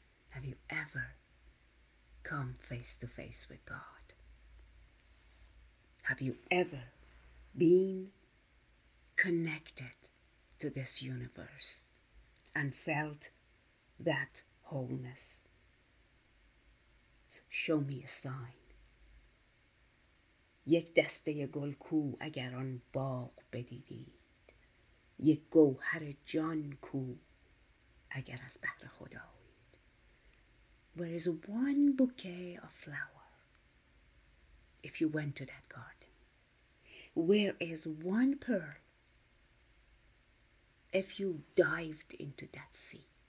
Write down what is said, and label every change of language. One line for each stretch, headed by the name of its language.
English: Have you ever come face to face with God? Have you ever been connected to this universe and felt that wholeness? So show me a sign.
Persian: یک دسته گل کو اگر آن باغ بدیدید، یک گوهر جان کو اگر از بحر خدایید.
English: Where is one bouquet of flower if you went to that garden? Where is one pearl if you dived into that sea?